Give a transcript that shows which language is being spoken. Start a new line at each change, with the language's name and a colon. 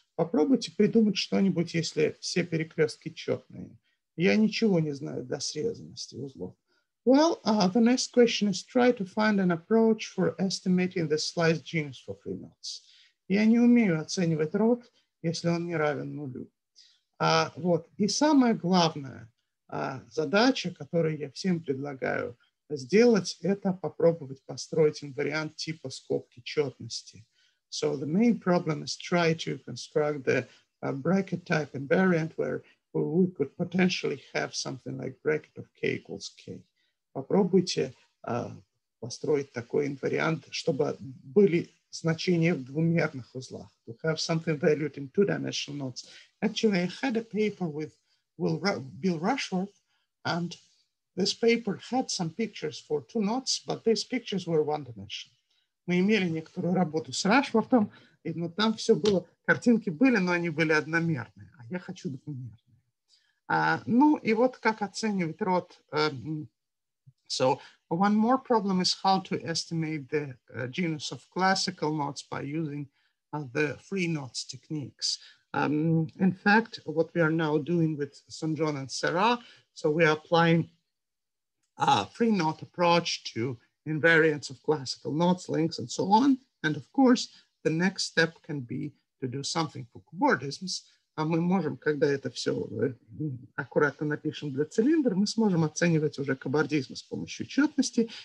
Russian: Попробуйте придумать что-нибудь, если все перекрестки четные. Я ничего не знаю до срезанности узлов.
English: Well, the next question is try to find an approach for estimating the slice genus for free knots.
Russian: Я не умею оценивать рот, если он не равен нулю. Вот. И самая главная задача, которую я всем предлагаю сделать, это попробовать построить инвариант типа скобки четности.
English: So the main problem is try to construct the bracket type invariant where we could potentially have something like bracket of k equals k.
Russian: Попробуйте построить такой инвариант, чтобы были значения в двумерных узлах.
English: To have something valued in two-dimensional knots. Actually, I had a paper with Bill Rushworth, and this paper had some pictures for two knots, but these pictures were one-dimensional.
Russian: Мы имели некоторую работу с Рашвортом, но там все было, картинки были, но они были одномерные, а я хочу двумерные. Ну и вот как оценивать рот.
English: So one more problem is how to estimate the genus of classical knots by using the free knots techniques. In fact, what we are now doing with Sanjon and Sarah, so we are applying a free knot approach to invariants of classical knots, links, and so on. And of course, the next step can be to do something for cobordisms.
Russian: Мы можем, когда это все аккуратно напишем для цилиндра, мы сможем оценивать уже кобордизм с помощью четности.